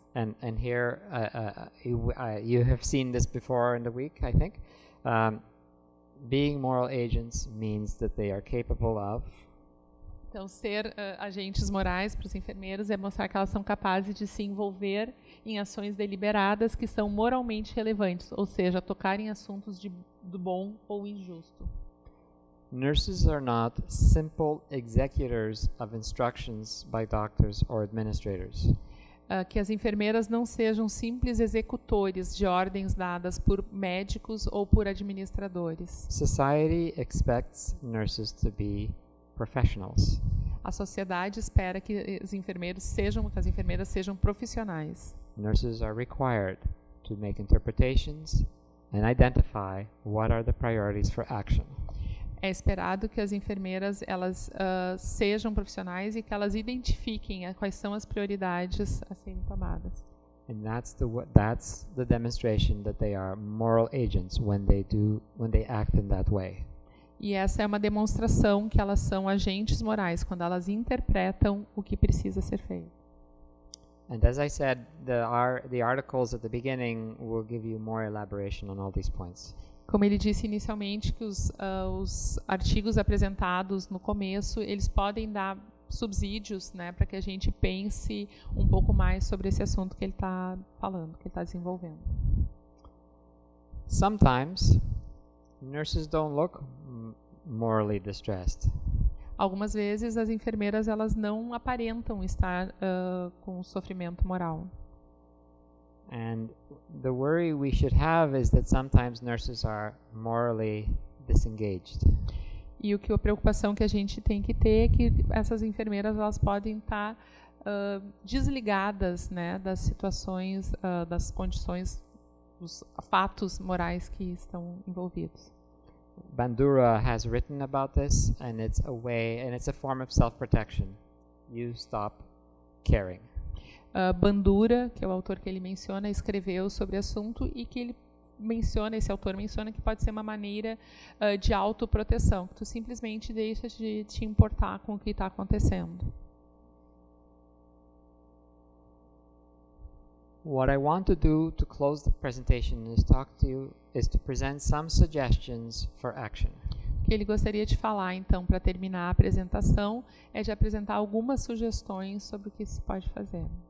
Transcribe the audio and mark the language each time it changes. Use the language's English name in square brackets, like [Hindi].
[English] And here you have seen this before in the week, I think. Being moral agents means that they are capable of. [Portuguese] Então, ser agentes morais para os enfermeiros é mostrar que elas são capazes de se envolver em ações deliberadas que são moralmente relevantes, ou seja, tocar em assuntos do bom ou injusto. [English] Nurses are not simple executors of instructions by doctors or administrators. [Portuguese] Que as enfermeiras não sejam simples executores de ordens dadas por médicos ou por administradores. [English] Society expects nurses to be professionals. [Portuguese] A sociedade espera que as enfermeiras sejam profissionais. [English] Nurses are required to make interpretations and identify what are the priorities for action. [Portuguese] É esperado que as enfermeiras sejam profissionais e que elas identifiquem quais são as prioridades a serem tomadas. [English] And that's the demonstration that they are moral agents when they act in that way. [Portuguese] E essa é uma demonstração que elas são agentes morais quando elas interpretam o que precisa ser feito. [English] And as I said, the articles at the beginning will give you more elaboration on all these points. [Portuguese] Como ele disse inicialmente, que os artigos apresentados no começo, eles podem dar subsídios, né, para que a gente pense um pouco mais sobre esse assunto que ele está falando, que ele está desenvolvendo. [English] Sometimes nurses don't look morally distressed. [Portuguese] Algumas vezes as enfermeiras, elas não aparentam estar com sofrimento moral. [English] And the worry we should have is that sometimes nurses are morally disengaged. [Portuguese] E o que a preocupação que a gente tem que ter é que essas enfermeiras, elas podem estar desligadas, né, das situações, das condições, dos fatos morais que estão envolvidos. [English] Bandura has written about this, and it's a way, and it's a form of self-protection. You stop caring. [Portuguese] Bandura, que é o autor que ele menciona, escreveu sobre o assunto e que ele menciona, esse autor menciona, que pode ser uma maneira de autoproteção, que tu simplesmente deixa de te importar com o que está acontecendo. [English] What I want to do to close the presentation is talk to you is to present some suggestions for action. [Portuguese] O que ele gostaria de falar, então, para terminar a apresentação, é de apresentar algumas sugestões sobre o que se pode fazer.